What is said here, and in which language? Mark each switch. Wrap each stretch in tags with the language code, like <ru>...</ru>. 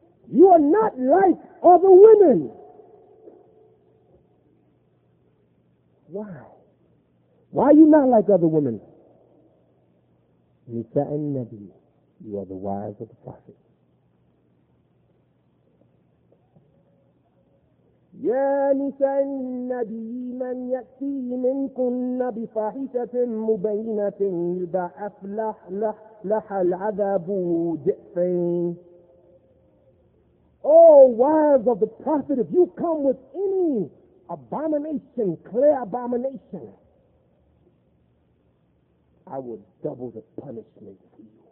<en>You are not like other women. Why? Why are you not like other women? Nisa'in Nabi. You are the wives of the prophets.</en> <ar>يا نساء النبي من يأتي منكن بفاحشة مبينة يضاعف لها العذاب ضعفين.</ar> <en>Oh, wives of the prophet, if you come with any abomination, clear abomination, I will double the punishment for you.</en>